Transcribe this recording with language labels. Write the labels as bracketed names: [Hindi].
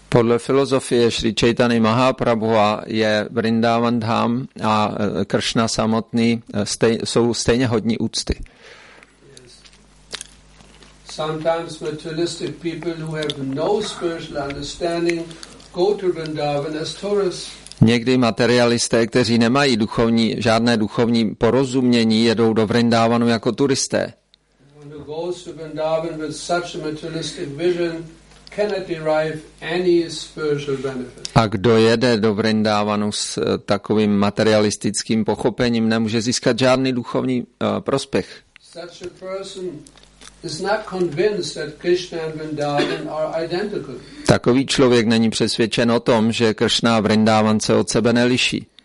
[Czech] Podle filozofie Sri Chaitany Mahaprabhuva je Vrindavan Dham a Kršna samotný jsou stejně hodní úcty. [English] Yes. Sometimes materialistic people who have no spiritual understanding go to Vrindavan as tourists. [Czech] Někdy materialisté, kteří nemají žádné duchovní porozumění, jedou do Vrindavanu jako turisté. [English] One who goes to Vrindavan with such a materialistic vision cannot derive any spiritual benefit. [Czech] A kdo jede do Vrindavanu s takovým materialistickým pochopením, nemůže získat žádný duchovní prospěch. [English] Such a person is not convinced that Krishna and Vrindavan are identical. [Czech] Takový člověk není přesvědčen o tom, že Kršna a Vrindavan se od sebe neliší.